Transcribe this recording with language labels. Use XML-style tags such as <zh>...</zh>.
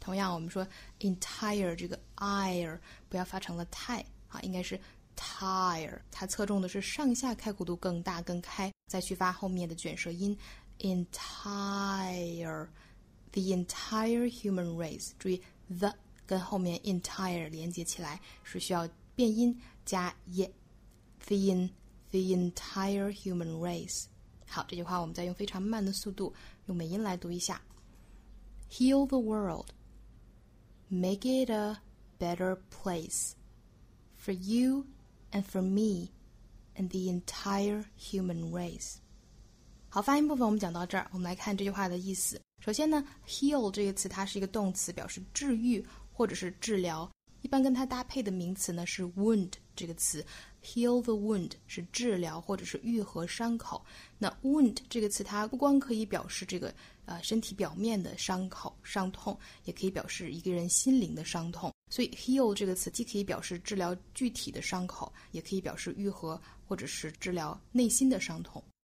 <zh>同样我们说 ENTIRE 这个 IRE 不要发成了太啊，应该是 TIRE， 它侧重的是上下开口度更大更开，再去发后面的卷舌音 entire，</zh> <en>the entire human race，</en> <zh>注意 the 跟后面 entire 连接起来是需要变音加 ye， the entire human race。好，这句话我们再用非常慢的速度用美音来读一下，</zh> <en>heal the world， make it a better place， for you and for meAnd the entire human race。</en> <zh>好，发音部分我们讲到这儿，我们来看这句话的意思。首先呢 heal 这个词它是一个动词，表示治愈或者是治疗，一般跟它搭配的名词呢是 wound， 这个词</zh> <en>heal the wound</en> <zh>是治疗或者是愈合伤口。那 wound 这个词它不光可以表示这个身体表面的伤口伤痛，也可以表示一个人心灵的伤痛，所以 heal 这个词既可以表示治疗具体的伤口，也可以表示愈合或者是治疗内心的伤痛。</zh>